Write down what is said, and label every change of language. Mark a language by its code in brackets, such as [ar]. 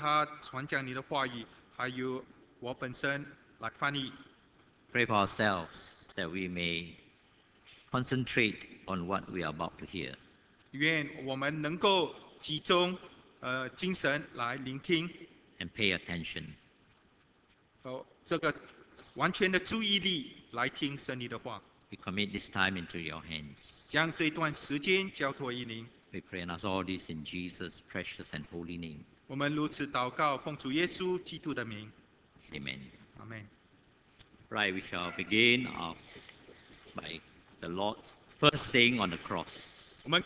[zh] 帮助你的仆人杨牧师，他传讲你的话语， 还有我本身来翻译。 [en] Pray for ourselves that we may concentrate on what we are about to hear. [zh] 愿我们能够集中精神来聆听。 [en] And pay attention. [zh] 这个完全的注意力 来听神你的话。 [en] We commit this time into your hands. [zh] 将这段时间交托于您。 [en] We pray and ask all this in Jesus' precious and holy name. [zh] 我们如此祷告，奉主耶稣基督的名。 [en] Amen. Amen. Right, we shall begin by the Lord's first saying on the cross.